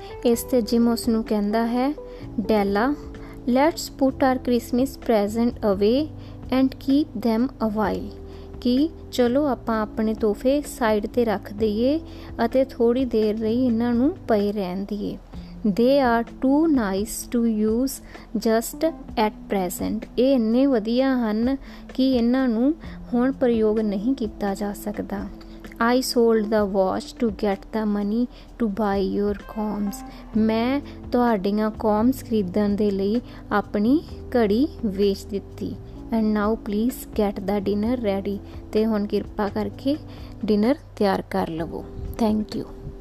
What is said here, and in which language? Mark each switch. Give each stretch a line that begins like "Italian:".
Punjabi: ਇਸ 'ਤੇ ਜਿਮ ਉਸ ਨੂੰ ਕਹਿੰਦਾ ਹੈ, ਡੈਲਾ,
English: let's put our Christmas present away and keep them awhile,
Punjabi: ਕਿ ਚਲੋ ਆਪਾਂ ਆਪਣੇ ਤੋਹਫ਼ੇ ਸਾਈਡ 'ਤੇ ਰੱਖ ਦੇਈਏ ਅਤੇ ਥੋੜ੍ਹੀ ਦੇਰ ਲਈ ਇਹਨਾਂ ਨੂੰ ਪਏ ਰਹਿਣ ਦੇਈਏ.
English: they are too nice to use just at present,
Punjabi: ਇਹ ਇੰਨੇ ਵਧੀਆ ਹਨ ਕਿ ਇਹਨਾਂ ਨੂੰ ਹੁਣ ਪ੍ਰਯੋਗ ਨਹੀਂ ਕੀਤਾ ਜਾ ਸਕਦਾ.
English: I sold the watch to get the money to buy your combs.
Punjabi: ਮੈਂ ਤੁਹਾਡੀਆਂ combs ਖਰੀਦਣ ਦੇ ਲਈ ਆਪਣੀ ਘੜੀ ਵੇਚ ਦਿੱਤੀ.
English: And now please get the dinner ready.
Punjabi: ਅਤੇ ਹੁਣ ਕਿਰਪਾ ਕਰਕੇ ਡਿਨਰ ਤਿਆਰ ਕਰ ਲਵੋ.
English: Thank you.